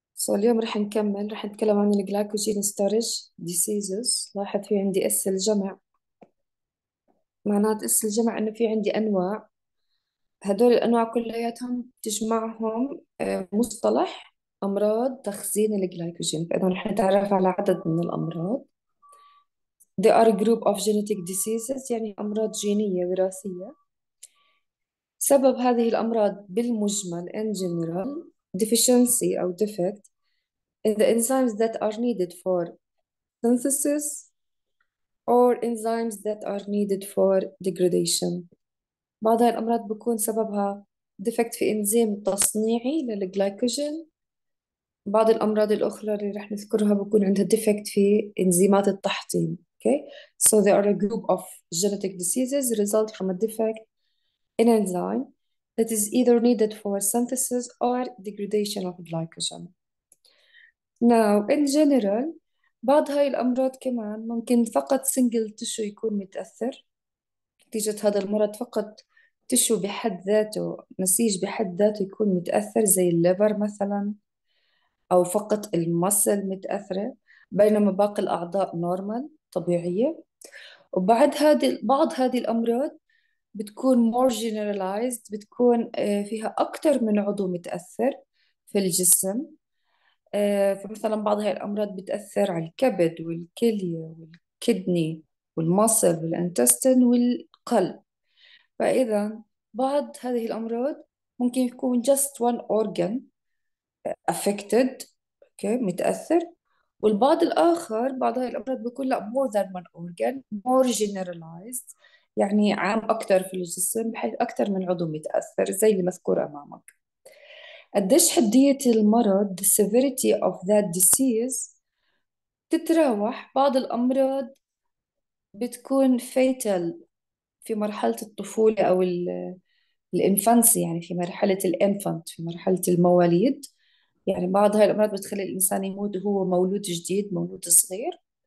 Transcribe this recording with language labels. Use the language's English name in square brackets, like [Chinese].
[Arabic] اليوم رح نكمل، رح نتكلم عن الجلايكوجين ستورج ديزيزز. لاحظ في عندي اس الجمع، معنات اس الجمع انه في عندي انواع، هدول الانواع كلياتهم تجمعهم مصطلح امراض تخزين الجلايكوجين. فاذا رح نتعرف على عدد من الامراض. [English] They are a group of genetic diseases، [Arabic] يعني امراض جينية وراثية. سبب هذه الامراض بالمجمل [English] in general deficiency أو defect in the enzymes that are needed for synthesis or enzymes that are needed for degradation. [Arabic] بعض هاي الأمراض بكون سببها defect في إنزيم تصنيعي للجلايكوجين. بعض الأمراض الأخرى اللي رح نذكرها بكون عندها defect في إنزيمات التحطيم. [English] Okay, so there are a group of genetic diseases result from a defect in enzyme that is either needed for synthesis or degradation of glycogen. Now, in general, [Arabic] بعض هاي الأمراض كمان ممكن فقط single tissue يكون متأثر. نتيجة هذا المرض فقط tissue بحد ذاته، نسيج بحد ذاته يكون متأثر، زي الليفر مثلا، أو فقط المسل متأثرة، بينما باقي الأعضاء normal طبيعية. بعض هذه الأمراض بتكون [English] more generalized، [Arabic] بتكون فيها أكثر من عضو متأثر في الجسم. فمثلا بعض هاي الأمراض بتأثر على الكبد والكلية والكدني والمصل والانتستين والقلب. فإذا بعض هذه الأمراض ممكن يكون [English] just one organ affected، [Arabic] okay، متأثر. والبعض الآخر، بعض هاي الأمراض بيكون لا [English] more than one organ، more generalized، [Arabic] يعني عام أكثر في الجسم بحيث أكثر من عضو متأثر زي اللي مذكور أمامك. قديش حدية المرض [English] the severity of that disease [Arabic] تتراوح. بعض الأمراض بتكون fatal في مرحلة الطفولة أو الانفانسي، يعني في مرحلة الانفانت، في مرحلة المواليد. يعني بعض هاي الأمراض بتخلي الإنسان يموت وهو مولود جديد، مولود صغير.